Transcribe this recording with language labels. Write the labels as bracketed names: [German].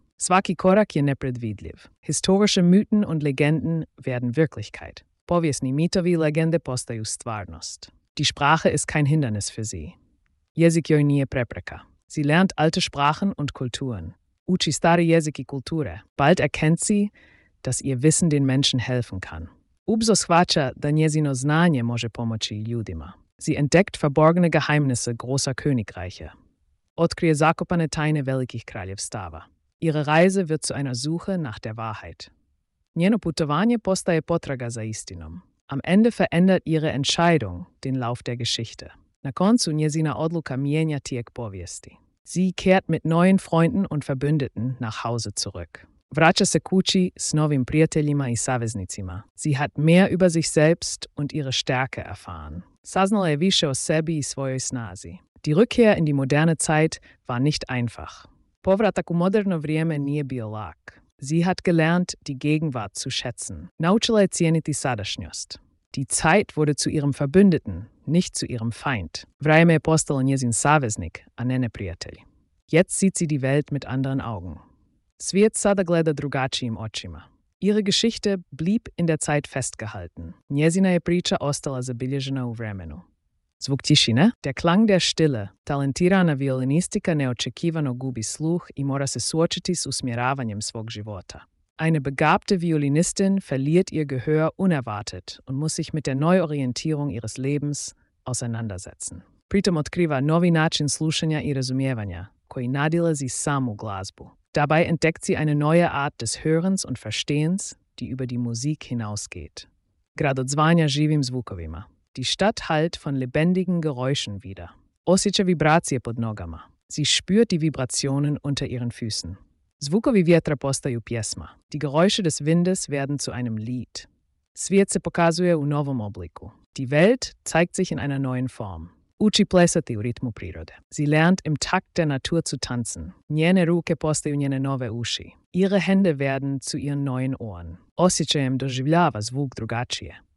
[Croatian] Svaki korak je nepredvidljiv. [German] Historische Mythen und Legenden werden Wirklichkeit. [Croatian] Povijesni mitovi i legende postaju stvarnost. [German] Die Sprache ist kein Hindernis für sie. [Croatian] Jezik joj nije prepreka. [German] Sie lernt alte Sprachen und Kulturen. [Croatian] Uči stari jezik i kulture. [German] Bald erkennt sie, dass ihr Wissen den Menschen helfen kann. [Croatian] Ubso shvaća da njezino znanje može pomoći ljudima. [German] Sie entdeckt verborgene Geheimnisse großer Königreiche. [Croatian] Otkrije zakopane tajne velikih kraljevstava. [German] Ihre Reise wird zu einer Suche nach der Wahrheit. [Croatian] Njeno putovanje postaje potraga za istinom. [German] Am Ende verändert ihre Entscheidung den Lauf der Geschichte. [Croatian] Na koncu njezina odluka mijenja tijek povijesti. [German] Sie kehrt mit neuen Freunden und Verbündeten nach Hause zurück. [Croatian] Vraća se kući s novim prijateljima i saveznicima. [German] Sie hat mehr über sich selbst und ihre Stärke erfahren. [Croatian] Saznala je više o sebi i svojoj snazi. [German] Die Rückkehr in die moderne Zeit war nicht einfach. [Croatian] Povratak u moderno vrijeme nije bio lak. [German] Sie hat gelernt, die Gegenwart zu schätzen. [Croatian] Naučila je cijeniti sadašnjost. [German] Die Zeit wurde zu ihrem Verbündeten, nicht zu ihrem Feind. [Croatian] Vrijeme je postalo njezin saveznik, a ne neprijatelj. [German] Jetzt sieht sie die Welt mit anderen Augen. [Croatian] Svijet sada gleda drugačijim očima. [German] Ihre Geschichte blieb in der Zeit festgehalten. [Croatian] Njezina je priča ostala zabilježena u vremenu. Zvuk tišine? [German] Der Klang der Stille. [Croatian] Talentirana violinistika neočekivano gubi sluh i mora se suočiti s usmjeravanjem svog života. [German] Eine begabte Violinistin verliert ihr Gehör unerwartet und muss sich mit der Neuorientierung ihres Lebens auseinandersetzen. [Croatian] Pritom otkriva novi način slušanja i razumijevanja, koji nadila sie samu glazbu. [German] Dabei entdeckt sie eine neue Art des Hörens und Verstehens, die über die Musik hinausgeht. [Croatian] Grad od zvanja živim zvukovima. [German] Die Stadt hallt von lebendigen Geräuschen wieder. [Croatian] Osjeća vibracije pod nogama. [German] Sie spürt die Vibrationen unter ihren Füßen. [Croatian] Zvukovi vjetra postaju pjesma. [German] Die Geräusche des Windes werden zu einem Lied. [Croatian] Svijet se pokazuje u novom obliku. [German] Die Welt zeigt sich in einer neuen Form. [Croatian] Uči plesati u ritmu prirode. [German] Sie lernt im Takt der Natur zu tanzen. [Croatian] Njene ruke postaju njene nove uši. [German] Ihre Hände werden zu ihren neuen Ohren. [Croatian] Osjećajem doživljava zvuk drugačije.